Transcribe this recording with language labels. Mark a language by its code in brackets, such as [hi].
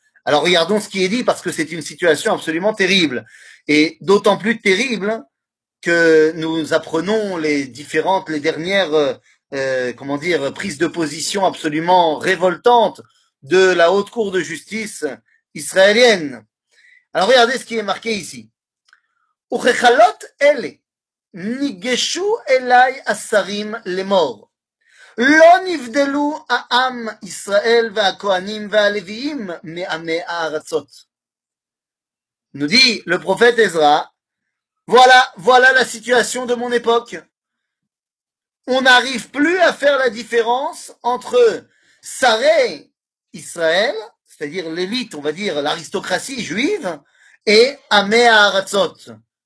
[fr] Alors regardons ce qui est dit, parce que c'est une situation absolument terrible, et d'autant plus terrible que nous apprenons les dernières prises de position absolument révoltantes de la haute cour de justice israélienne. Alors regardez ce qui est marqué ici. [he] « Urechalot ele, nigeshu elai asarim lemor. » לא נבדלו העם ישראל והכהנים והלוויים מעמי הארצות. [fr] Nous dit le prophète Ezra, voilà la situation de mon époque. On n'arrive plus à faire la différence entre Saré Israël, c'est-à-dire l'élite, on va dire l'aristocratie juive, et Amé Aratzot,